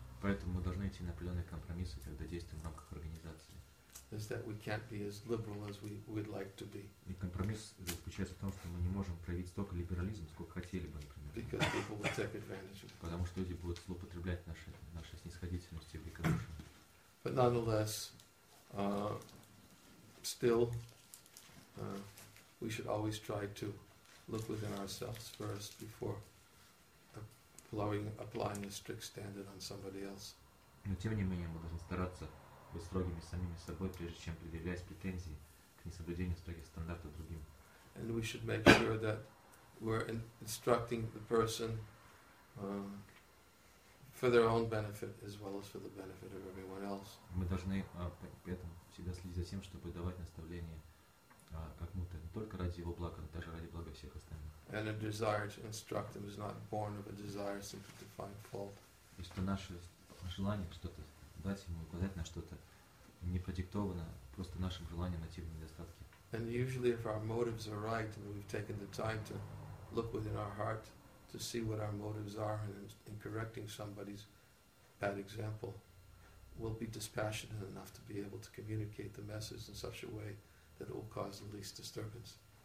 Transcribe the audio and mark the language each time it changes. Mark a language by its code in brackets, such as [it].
[ru] Поэтому мы должны идти на определенные компромиссы, когда действуем в рамках организации. [en] Is that we can't be as liberal as we would like to be. [ru] И компромисс заключается в том, что мы не можем проявить столько либерализма, сколько хотели бы, например. [en] Because people will take advantage of it. [ru] Потому что люди будут злоупотреблять нашей снисходительностью и великодушием. [en] But nonetheless, still, we should always try to look within ourselves first before applying a strict standard on somebody else. [ru] Но тем не менее мы должны стараться быть строгими самими собой, прежде чем предъявлять претензии к несоблюдению строгих стандартов другим. [en] And we should make sure that we're instructing the person for their own benefit as well as for the benefit of everyone else. [ru] Мы должны поэтому всегда следить за тем, чтобы давать наставления как будто не только ради его блага, но даже ради блага всех остальных. [en] And a desire to instruct them is not born of a desire simply to find fault. [ru] И что наше желание что-то дать ему, указать на что-то, не продиктовано просто нашим желанием найти недостатки. [en] And usually if our motives are right and we've taken the time to look within our heart to see what our motives are in correcting somebody's bad example, we'll be dispassionate enough to be able to communicate the message in such a way that will cause the least disturbance.